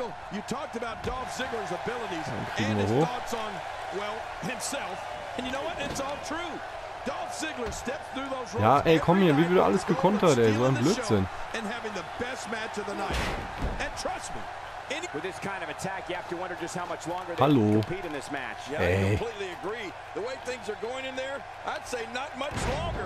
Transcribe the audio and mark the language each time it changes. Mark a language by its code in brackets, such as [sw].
[en] you talked about Dolph Ziggler's abilities and his thoughts on, well, himself. And you know what? It's all true. Dolph Ziggler steps through those [de] roles. Ja, ey, komm hier, wie wird alles gekontert, ey, so ein Blödsinn. [en] And having the best match of the night. And trust me. With this kind of attack, you have to wonder just how much longer they can compete in this match. Yeah, I completely agree. The way things are going in there, I'd say not much longer.